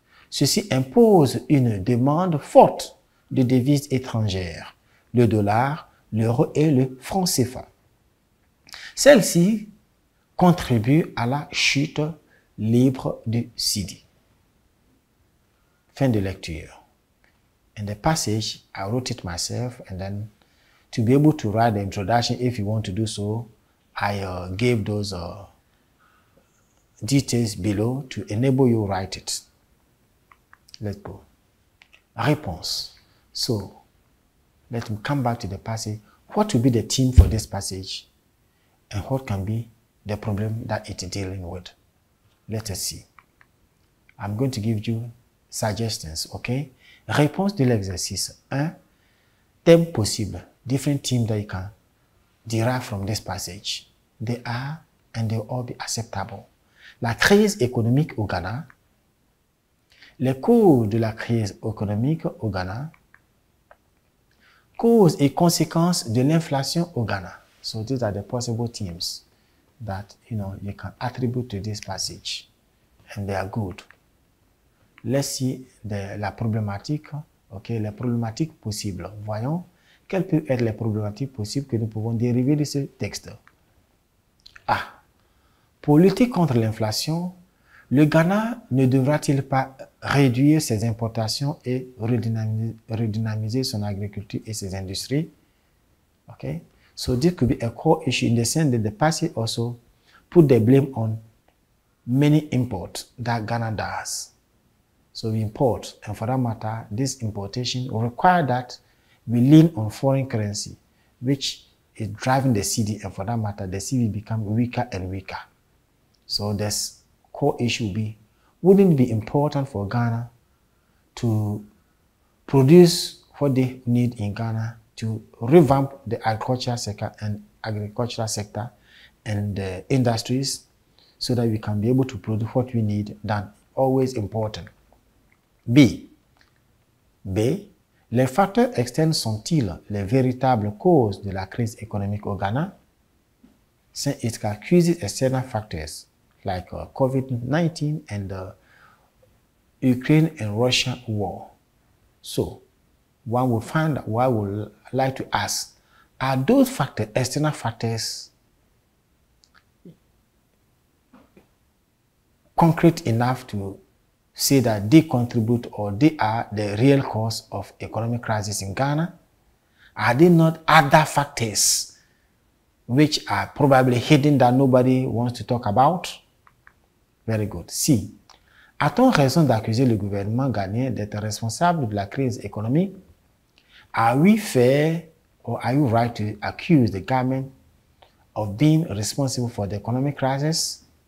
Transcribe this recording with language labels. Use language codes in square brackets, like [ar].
[fr] Ceci impose une demande forte de devises étrangères, le dollar, l'euro et le franc CFA. Celles-ci contribuent à la chute libre du Sidi. Fin de lecture. [en] In the passage, I wrote it myself, and then to be able to write the introduction, if you want to do so, I gave those details below to enable you to write it. Let's go. [fr] Réponse. [en] So, let me come back to the passage. What will be the theme for this passage? And what can be the problem that it's dealing with? Let us see. I'm going to give you suggestions, okay? [fr] Réponse de l'exercice 1. Thème possible. [en] Different themes that you can derive from this passage. They are and they will all be acceptable. [fr] La crise économique au Ghana. Les causes de la crise économique au Ghana. Causes et conséquences de l'inflation au Ghana. [en] So these are the possible themes that you can attribute to this passage. And they are good. Let's see [fr] la problématique, ok, les problématiques possibles. Voyons quelles peuvent être les problématiques possibles que nous pouvons dériver de ce texte. A. Pour lutter contre l'inflation, le Ghana ne devra-t-il pas réduire ses importations et redynamiser son agriculture et ses industries? [en] Ok, so this could be a core issue in the sense that the passage also put the blame on many imports that Ghana does. So we import, and for that matter, this importation will require that we lean on foreign currency, which is driving the Cedi, and for that matter, the Cedi become weaker and weaker. So this core issue will be, wouldn't it be important for Ghana to produce what they need in Ghana to revamp the agricultural sector and the industries so that we can be able to produce what we need than always important. B. [fr] Les facteurs externes sont-ils les véritables causes de la crise économique au Ghana? C. [en] It accuses external factors like COVID-19 and the Ukraine and Russia war. So, one would find, one would like to ask, are those factors, external factors, concrete enough to say that they contribute or they are the real cause of economic crisis in Ghana? Are they not other factors which are probably hidden that nobody wants to talk about? Very good. C. [fr] A-t-on raison d'accuser le gouvernement ghanéen d'être responsable de la crise économique? [en] Are we fair or are you right to accuse the government of being responsible for the economic crisis?